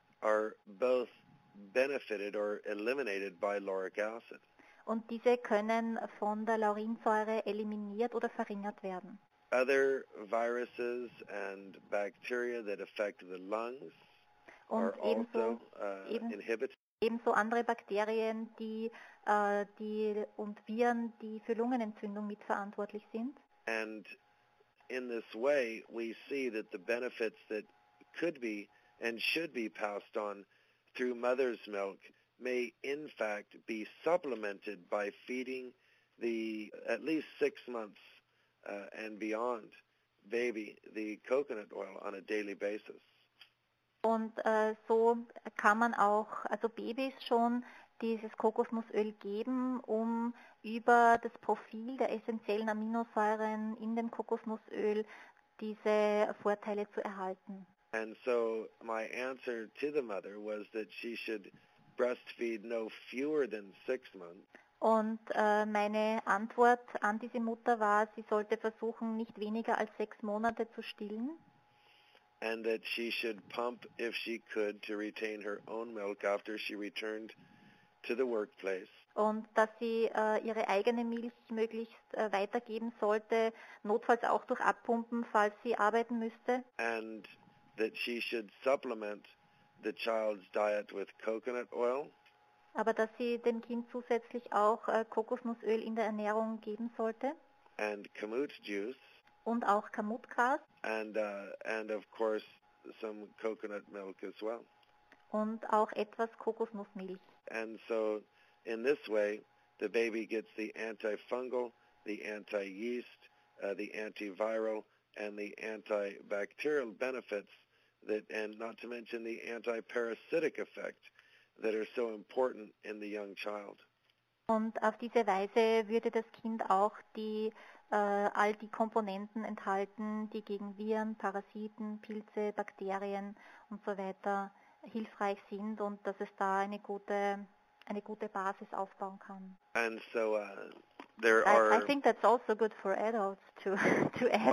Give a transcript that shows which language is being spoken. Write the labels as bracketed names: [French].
[English] Are both benefited or eliminated by lauric acid. [German] Und diese können von der Laurinsäure eliminiert oder verringert werden. [English] Other viruses and bacteria that affect the lungs [German] und [English] are also inhibited. [German] Ebenso andere Bakterien und Viren, die für Lungenentzündung mitverantwortlich sind. [English] And in this way we see that the benefits that could be and should be passed on through mother's milk may in fact be supplemented by feeding the at least 6 months and beyond baby the coconut oil on a daily basis. [German] Und so kann man auch, also Babys schon, dieses Kokosnussöl geben, um über das Profil der essentiellen Aminosäuren in dem Kokosnussöl diese Vorteile zu erhalten. [English] And so my answer to the mother was that she should breastfeed no fewer than 6 months. [German] Und meine Antwort an diese Mutter war, sie sollte versuchen, nicht weniger als 6 Monate zu stillen. [English] and that she should pump if she could to retain her own milk after she returned to the workplace. [German] Und dass sie ihre eigene Milch möglichst weitergeben sollte, notfalls auch durch Abpumpen, falls sie arbeiten müsste. [English] And that she should supplement the child's diet with coconut oil. [German] Aber dass sie dem Kind zusätzlich auch Kokosnussöl in der Ernährung geben sollte. [English] And kamut juice. [German] Und auch Kamutgras. [English] And of course some coconut milk as well. [German] Und auch etwas Kokosnussmilch. [English] And so in this way the baby gets the antifungal, the anti-yeast, the antiviral and the antibacterial benefits that, and not to mention the anti-parasitic effect that are so important in the young child. [German] Und auf diese Weise würde das Kind auch die all die Komponenten enthalten, die gegen Viren, Parasiten, Pilze, Bakterien und so weiter hilfreich sind und dass es da eine gute Basis aufbauen kann. [English] And so there are. I think that's also good for adults to add.